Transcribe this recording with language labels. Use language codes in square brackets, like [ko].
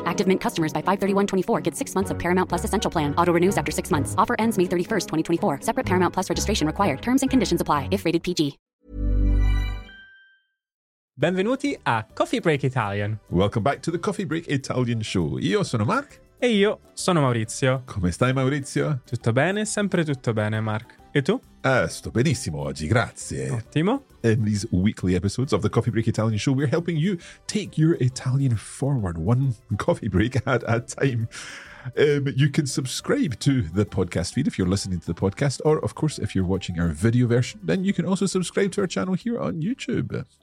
[en] Active Mint customers by 5/31/24 get 6 months of Paramount Plus Essential Plan. Auto renews after 6 months. Offer ends May 31st, 2024. Separate Paramount Plus registration required. Terms and conditions apply if rated PG. [it] Benvenuti a Coffee Break Italian. [en] Welcome back to the Coffee Break Italian show. [it] Io sono Mark. E io sono Maurizio. Come stai, Maurizio? Tutto bene, sempre tutto bene, Mark. E tu? Sto benissimo oggi, grazie. Ottimo. [en] In these weekly episodes of the Coffee Break Italian show, we're helping you take your Italian forward one coffee break at a time. You can subscribe to the podcast feed if you're listening to the podcast, or of course, if you're watching our video version, then you can also subscribe to our channel here on YouTube.